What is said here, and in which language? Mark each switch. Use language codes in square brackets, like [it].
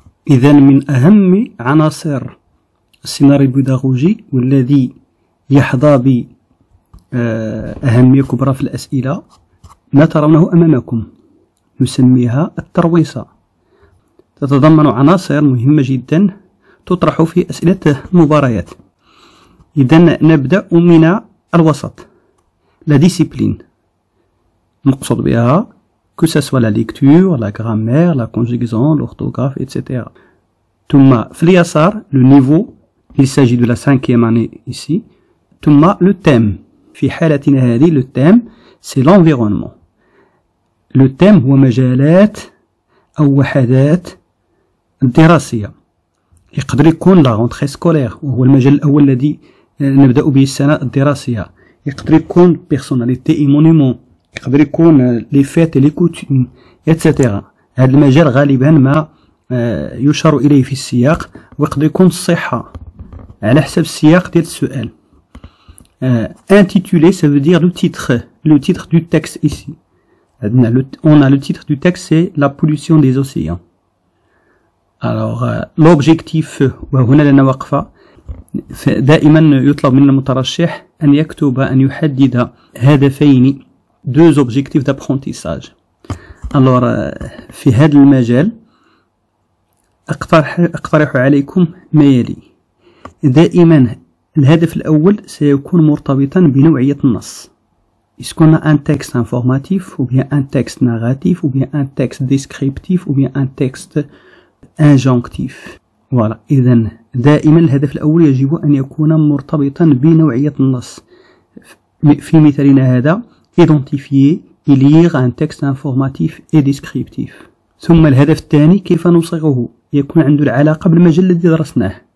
[ar] إذن من أهم عناصر السيناريو البيداغوجي والذي يحظى بأهمية كبرى في الأسئلة ما ترونه أمامكم نسميها الترويصة، تتضمن عناصر مهمة جدا تطرح في أسئلة المباريات. إذن نبدأ من الوسط، لا ديسيبلين مقصود بها [fr] que ce soit la lecture, la grammaire, la conjugaison, l'orthographe, etc. [ar] ثم في اليسار [fr] le niveau, il s'agit de la cinquième année ici. [ar] ثم [fr] le thème, [ar] في حالتنا هذه [fr] le thème c'est l'environnement. [ar] Le thème هو مجالات أو وحدات الدراسية. يقدر يكون [fr] la rentrée scolaire [ar] وهو المجال الأول الذي نبدأ به السنة الدراسية. يقدر يكون [fr] personnalité et monument. يقدر يكون les fêtes et les coutumes, etc. [ar] هذا المجال غالبا ما يشار إليه في السياق، ويقدر يكون الصحة على حسب السياق ديال السؤال. [fr] Intitulé, ça veut dire le titre du texte ici. On a le titre du texte, c'est la pollution des océans. Alors, l'objectif, [ar] وهنا لنا وقفة. دائما يطلب من المترشح أن يكتب أن يحدد هدفين، [fr] deux objectifs d'apprentissage. [ar] Alors, في هذا المجال اقترح عليكم ما يلي. دائما الهدف الاول سيكون مرتبطا بنوعية النص. [fr] Est-ce qu'on a un texte informatif ou bien un texte narratif ou bien un texte descriptif ou bien un texte injonctif. Voilà. [ar] اذا دائما الهدف الاول يجب ان يكون مرتبطا بنوعية النص. في مثالنا هذا [fr] identifier et lire un texte informatif et descriptif. [ar] ثم الهدف الثاني كيف نصيغه، يكون عنده العلاقة بالمجال الذي درسناه.